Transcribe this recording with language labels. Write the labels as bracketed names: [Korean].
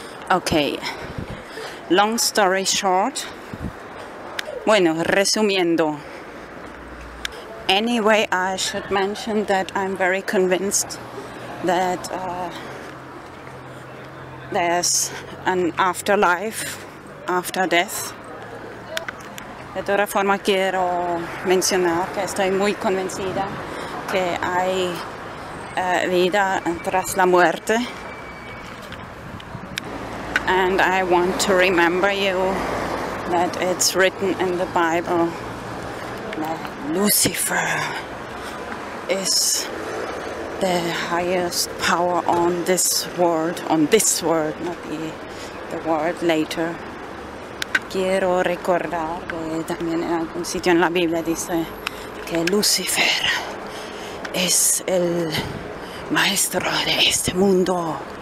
[English] Okay, long story short, [Spanish] bueno, resumiendo, [English] anyway, I should mention that I'm very convinced that there's an afterlife, after death. [Spanish] De toda forma, quiero mencionar que estoy muy convencida que hay vida tras la muerte. [English] And I want to remember you that it's written in the Bible that Lucifer is the highest power on this world, not the world later. [Spanish] Quiero recordar que también en algún sitio en la Biblia dice que Lucifer es el maestro de este mundo.